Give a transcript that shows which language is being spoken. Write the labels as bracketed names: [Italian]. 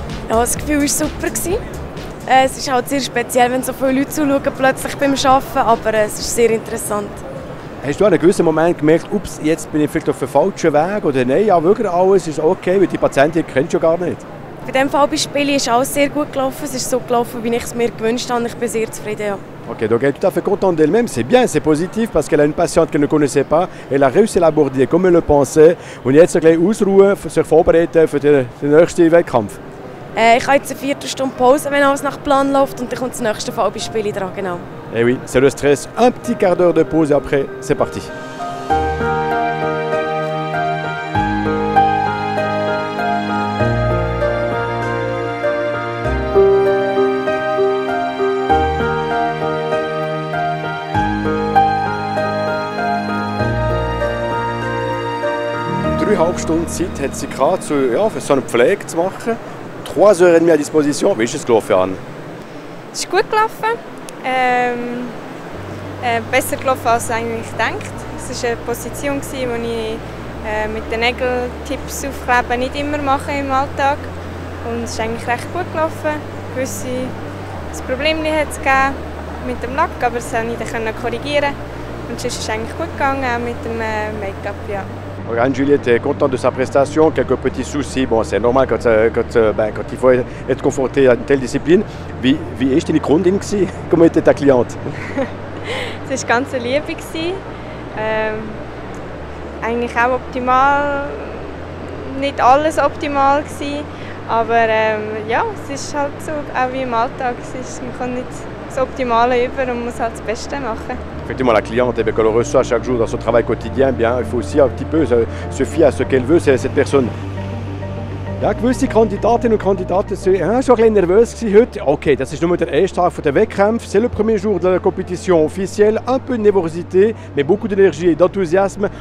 [German] Ja, das Gefühl war super gsi. Es ist halt sehr speziell, wenn so viele Leute zuschauen plötzlich beim Arbeiten, aber es ist sehr interessant. Hast du an einem gewissen Moment gemerkt, ups, jetzt bin ich vielleicht auf dem falschen Weg, oder nein, ja wirklich alles ist okay, weil die Patientin kennst du ja gar nicht. Bei diesem Fallbeispiel ist alles sehr gut gelaufen. Es ist so gelaufen, wie ich es mir gewünscht habe. Ich bin sehr zufrieden. Ja. [French] Okay, donc elle est tout à fait contente d'elle-même. C'est bien, c'est positif, parce qu'elle a une patiente qu'elle ne connaissait pas. Elle a réussi à l'aborder, comme elle le pensait. [German] Und jetzt gleich ausruhen, sich vorbereiten für den nächsten Wettkampf. Ich habe jetzt eine Viertelstunde Pause, wenn alles nach Plan läuft. Und dann kommt das nächste Fallbeispiel dran, genau. [French] Eh oui, c'est le stress. Un petit quart d'heure de pause et après, c'est parti. [German] Stunden Zeit hat sie gehabt, so, ja, für so eine Pflege zu machen. 3 Stunden à Disposition. Wie ist es gelaufen, Anne? Es ist gut gelaufen. Besser gelaufen, als eigentlich gedacht. Es war eine Position, die ich mit den Nägeltipps aufkleben nicht immer mache im Alltag. Und es ist eigentlich recht gut gelaufen. Gewisse Probleme hat es gegeben mit dem Lack, aber das konnte ich dann korrigieren. Und sonst ist es eigentlich gut gegangen, auch mit dem Make-up. Ja. [French] Anne-Juliette est contente de sa prestation, quelques petits soucis, bon c'est normal quand il faut être confronté à une telle discipline. [German] Wie est deine Kundin gsi? [French] Comment était ta cliente? [German] C'est ganz lieb gsi. Eigentlich auch optimal, nicht alles optimal gsi, aber ja, es ist halt so auch wie im Alltag, man kann nicht das Optimale über und muss halt das Beste machen. [French] Effectivement, la cliente eh bien, que l'on reçoit chaque jour dans son travail quotidien, eh bien, il faut aussi un petit peu se fier à ce qu'elle veut, cette personne. [German] Ja, gewisse Kandidatinnen und Kandidaten sind schon ein bisschen nervös heute. Okay, das ist nur der erste Tag der Wettkämpfe. [French] C'est le premier jour de la compétition officielle. Un peu de nervosité, mais beaucoup d'énergie et d'enthousiasme.